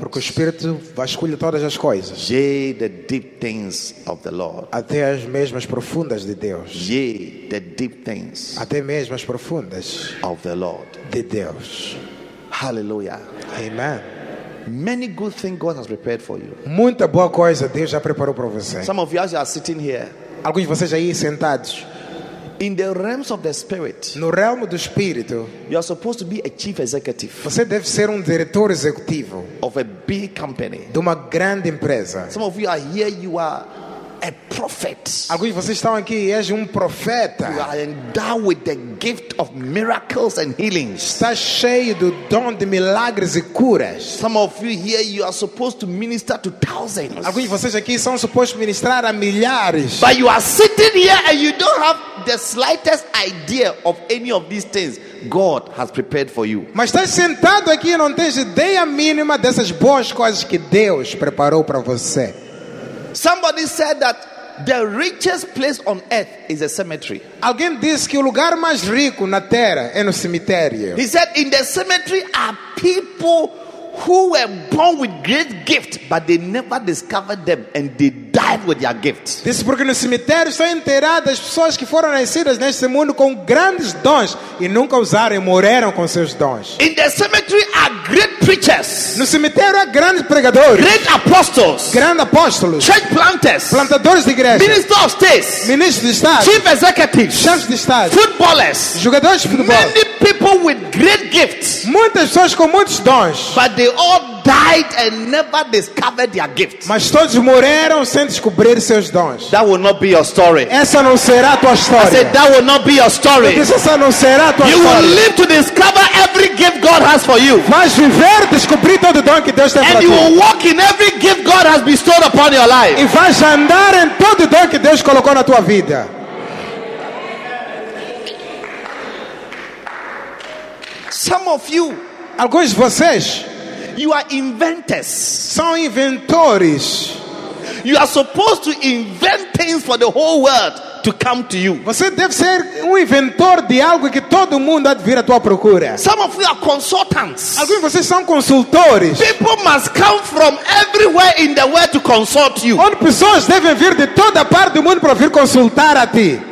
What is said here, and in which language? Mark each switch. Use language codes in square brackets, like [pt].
[pt] Porque o Espírito vasculha todas as coisas. [en] Yea, the deep things of the Lord. [pt] Até as mesmas profundas de Deus. [en] Yea, the deep things. [pt] Até mesmo as profundas. [en] Of the Lord. [pt] De Deus. Hallelujah. Amen. [en] Many good things God has prepared for you. [pt] Muita boa coisa Deus já preparou para você. [en] Some of you are sitting here. [pt] Alguns de vocês aí sentados. [en] In the realms of the spirit, [pt] no realmo do espírito, [en] you are supposed to be a chief executive. [pt] Você deve ser diretor executivo [en] of a big company. [pt] De uma grande empresa. [en] Some of you are here. You are a prophet. [pt] Alguns de vocês estão aqui, és profeta. [en] You are endowed with the gift of miracles and healings. [pt] Está cheio do dom de milagres e curas. [en] Some of you here, you are supposed to minister to thousands. [pt] Alguns de vocês aqui são supostos ministrar a milhares. [en] But you are sitting here and you don't have the slightest idea of any of these things God has prepared for you. [pt] Mas estás sentado aqui e não tens ideia mínima dessas boas coisas que Deus preparou para você. [en] Somebody said that the richest place on earth is a cemetery. [pt] Alguém disse que o lugar mais rico na terra é no cemitério. [en] He said in the cemetery are people who were born with great gifts, but they never discovered them and they died with their gifts. [pt] Disse porque no cemitério estão enterradas pessoas que foram nascidas neste mundo com grandes dons e nunca usaram e morreram com seus dons. [en] In the cemetery are great preachers. [pt] No cemitério há grandes pregadores. [en] Great apostles. [pt] Grandes apóstolos. [en] Church planters. [pt] Plantadores de igreja. [en] Ministers of state. [pt] Ministros de estado. [en] Chief executives. [pt] Chefes de estado. [en] Footballers. [pt] Jogadores de futebol. [en] Many people with great gifts. [pt] Muitas pessoas com muitos dons. [en] But they all died and never discovered their gifts. [pt] Mas todos morreram sem descobrir seus dons. [en] That will not be your story. [pt] Essa não será tua história. [en] I said that will not be your story. [pt] Disse, essa não será tua [en] you [pt] história. [en] Will live to discover every gift God has for you. [pt] Vais viver, descobrir todo o dom que Deus tem [en] and [pt] para ti. [en] And you will walk in every gift God has bestowed upon your life. [pt] E vais andar em todo o dom que Deus colocou na tua vida. [en] Some of you, [pt] alguns de vocês, [en] you are inventors. [pt] São inventores. [en] You are supposed to invent things for the whole world to come to you. [pt] Você deve ser inventor de algo que todo mundo há de vir à tua procura. [en] Some of you are consultants. [pt] Alguns de vocês são consultores. [en] People must come from everywhere in the world to consult you. [pt] Onde pessoas devem vir de toda parte do mundo para vir consultar a ti.